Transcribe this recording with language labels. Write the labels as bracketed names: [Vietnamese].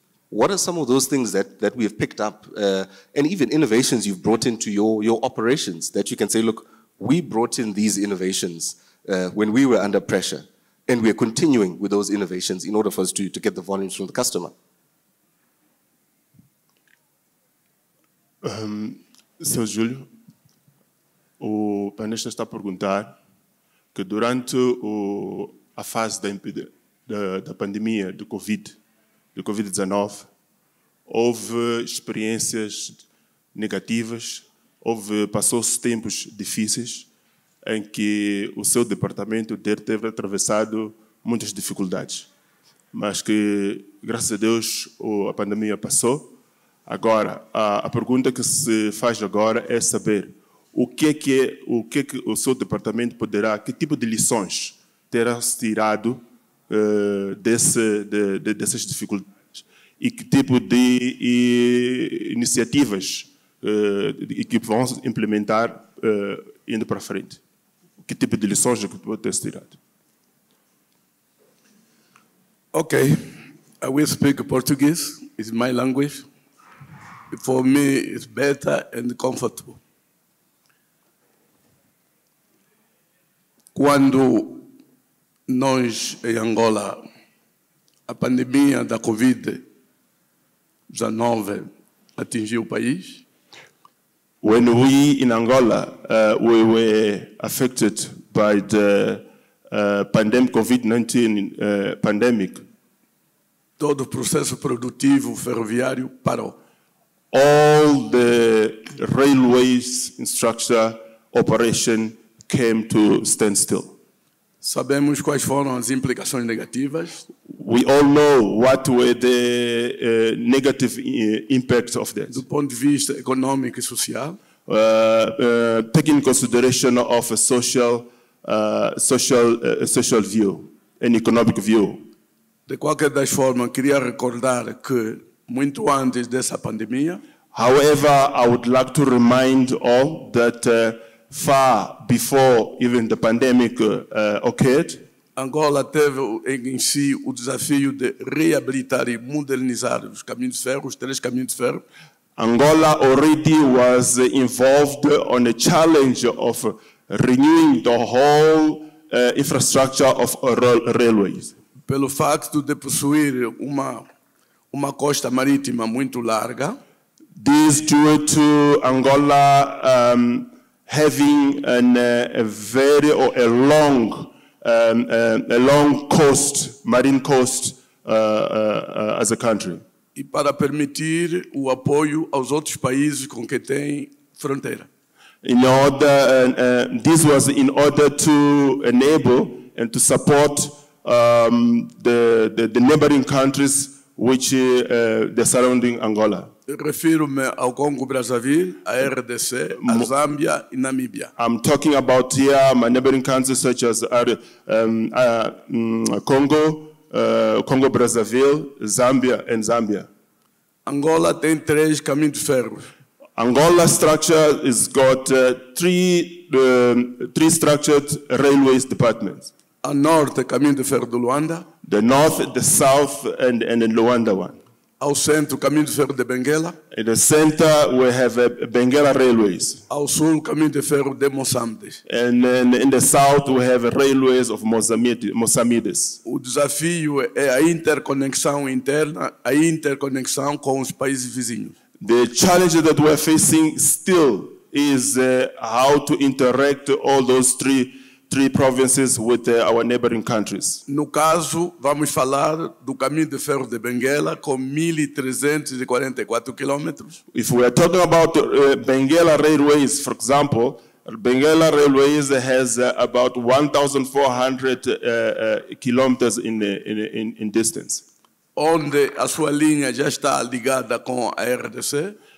[English] What are some of those things that we have picked up and even innovations you've brought into your operations that you can say, look, we brought in these innovations when we were under pressure. And we are continuing with those innovations in order for us to get the volumes from the customer. [Portuguese] Seu Júlio, o panelista está a perguntar que durante a fase da pandemia do COVID, do COVID-19, houve experiências negativas, passou-se tempos difíceis em que o seu departamento teve atravessado muitas dificuldades. Mas que, graças a Deus, a pandemia passou. Agora, a pergunta que se faz agora é saber o que é que o seu departamento poderá, que tipo de lições terá-se tirado dessas dificuldades e que tipo de iniciativas que vão implementar indo para frente. Que tipo de lições é que pode ter se tirado? [English] Ok, I will speak Portuguese, it's my language. For me, it's better and comfortable. [Portuguese] Quando nós, em Angola, a pandemia da COVID-19 atingiu o país, [English] when we in Angola, we were affected by the pandemic, COVID-19 pandemic, [Portuguese] todo o processo produtivo ferroviário parou. [English] All the railways infrastructure operation came to standstill. [Portuguese] Sabemos quais foram as implicações negativas. [English] We all know what were the negative impacts of that. [Portuguese] Do ponto de vista econômico e social. [English] Taking consideration of a social view, an economic view. [Portuguese] De qualquer das formas, queria recordar que muito antes dessa pandemia. [English] However, I would like to remind all that far before even the pandemic occurred, [Portuguese] Angola teve em si o desafio de reabilitar e modernizar os caminhos de ferro, os três caminhos de ferro. [English] Angola already was involved on a challenge of renewing the whole infrastructure of railways. [Portuguese] Pelo facto de possuir uma costa marítima muito larga. [English] This due to Angola having a long coast, marine coast as a country. [Portuguese] E para permitir o apoio aos outros países com que tem fronteira. [English] In order, this was in order to enable and to support the neighboring countries which the surrounding Angola. [Portuguese] Refiro-me ao Congo Brazzaville, à RDC, à Zâmbia e Namíbia. [English] I'm talking about here my neighboring countries such as Congo, Congo Brazzaville, Zâmbia and Zâmbia. [Portuguese] Angola tem três caminhos de ferro. [English] Angola structure has got three structured railways departments. [Portuguese] A norte, caminho de ferro de Luanda. [English] The north, the south and the Luanda one. [Portuguese] Ao centro, caminho de ferro de Benguela. [English] In the center, we have Benguela Railways. [Portuguese] Ao sul, caminho de ferro de Moçambique. [English] And then in the south, we have railways of Moçambiques. [Portuguese] O desafio é a interconexão interna, a interconexão com os países vizinhos. [English] The challenge that we're facing still is how to interact all those three provinces with our neighboring countries. [Portuguese] No caso, vamos falar do caminho de ferro de Benguela com 1,344 quilômetros. [English] If we are talking about Benguela Railways, for example, Benguela Railways has about 1,400 kilometers in distance. [Portuguese] Onde a sua linha já está ligada com a RDC.